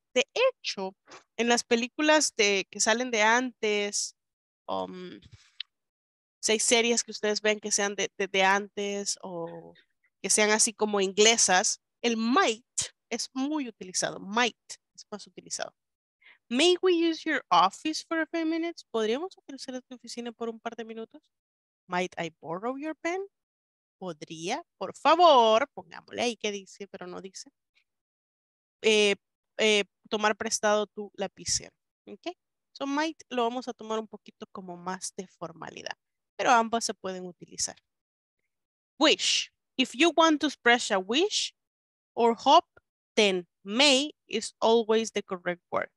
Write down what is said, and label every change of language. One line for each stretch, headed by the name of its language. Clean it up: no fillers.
Spanish: De hecho, en las películas que salen de antes, seis series que ustedes ven que sean de antes o que sean así como inglesas, el might es muy utilizado. Might es más utilizado.
English: May we use your office for a few minutes?
Spanish: ¿Podríamos utilizar tu oficina por un par de minutos?
English: Might I borrow your pen?
Spanish: ¿Podría? Por favor, pongámosle ahí que dice, pero no dice. Tomar prestado tu lapicero. ¿Ok? So might lo vamos a tomar un poquito como más de formalidad. Pero ambas se pueden utilizar. Wish.
English: If you want to express a wish or hope, then may is always the correct word.